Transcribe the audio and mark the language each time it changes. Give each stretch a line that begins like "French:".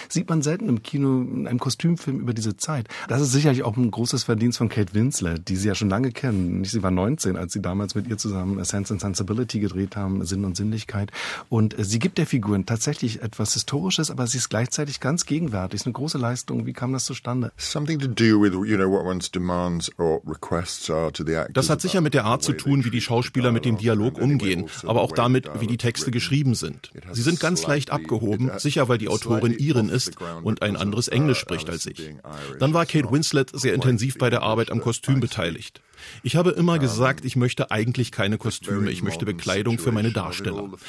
German: Sieht man selten im Kino, in einem Kostümfilm über diese Zeit. Das ist sicherlich auch ein großes Verdienst von Kate Winslet, die Sie ja schon lange kennen. Sie war 19, als Sie damals mit ihr zusammen Sense and Sensibility gedreht haben, Sinn und Sinnlichkeit. Und sie gibt der Figur tatsächlich etwas Historisches, aber sie ist gleichzeitig ganz gegenwärtig. Ist eine große Leistung. Wie kam das zustande?
English: Something to do with, you know, what one's demands or requests are to the actors.
German: Das hat sicher mit der Art zu tun, wie die Schauspieler mit dem Dialog umgehen, aber auch damit, wie die Texte geschrieben sind. Sie sind ganz leicht abgehoben, sicher weil die Autorin Irin ist und ein anderes Englisch spricht als ich. Dann war Kate Winslet sehr intensiv bei der Arbeit am Kostüm beteiligt. Ich habe immer gesagt, ich möchte eigentlich keine Kostüme, ich möchte Bekleidung für meine Darsteller.